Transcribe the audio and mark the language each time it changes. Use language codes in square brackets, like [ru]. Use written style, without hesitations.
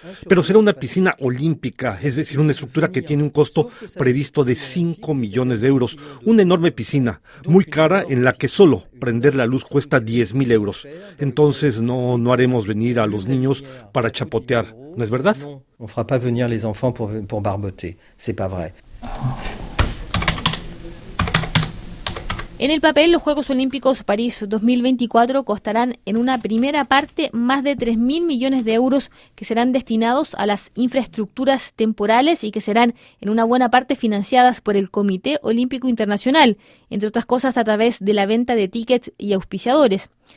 [es] Pero será una piscina olímpica, es decir, una estructura que tiene un costo previsto de 5 millones de euros. Una enorme piscina, muy cara, en la que solo prender la luz cuesta 10.000 euros. Entonces no haremos venir a los niños para chapotear, ¿no es verdad? [fr] On fera pas venir les enfants pour barboter, c'est pas vrai. [es] En el papel, los Juegos Olímpicos París 2024 costarán en una primera parte más de 3.000 millones de euros que serán destinados a las infraestructuras temporales y que serán en una buena parte financiadas por el Comité Olímpico Internacional, entre otras cosas a través de la venta de tickets y auspiciadores.